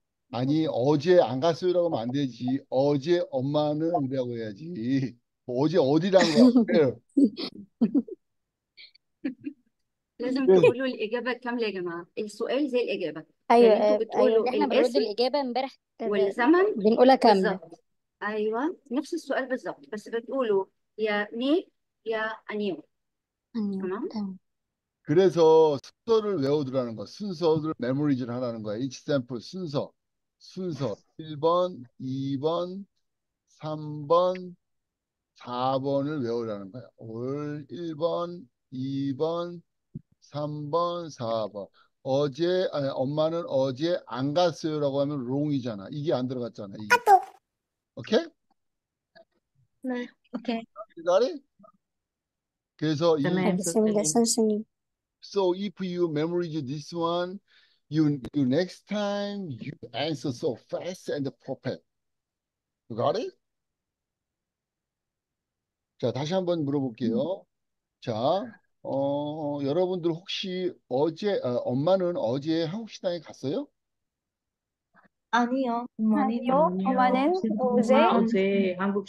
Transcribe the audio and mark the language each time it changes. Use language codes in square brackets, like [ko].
[ko] 아니, 어제 안 갔어요라고 하면 안 되지. 어제 엄마는 이라고 해야지. 어제 어디란 거야? [ar] لازم تقولوا الإجابة الكاملة يا جماعة، السؤال زي الإجابة، ايوه يعني أنتوا ايوه بتقولوا احنا بنرد الاسم الاجابه امبارح والزمن بنقولها كامله. بالظبط. أيوه نفس السؤال بالظبط، بس بتقولوا يا مي يا أنيو. [ko] انيو. [ar] تمام. تمام. [ko] 그래서 순서를 외우더라는 거, 순서를 메모리즈를 하라는 거야. 이치 샘플 순서. 순서 1번, 2번, 3번, 4번을 외우라는 거야. 올 1번, 2번, 3번, 4번. 어제, 아니, 엄마는 어제 안 갔어요라고 하면 롱이잖아. 이게 안 들어갔잖아, 이게. 오케이? 네, 오케이. 기다려? 그래서 잠깐만, 1번, 알겠습니다, 2번. 선생님. [en] So if you memorize this one, you next time you answer so fast and perfect. You got it? [ko] 자, 다시 한번 물어볼게요. 자, 여러분들 혹시 어제, 엄마는 어제 한국식당에 갔어요? 아니요, 아니요, 어머니는 어머니는 엄마 어제 한국 한국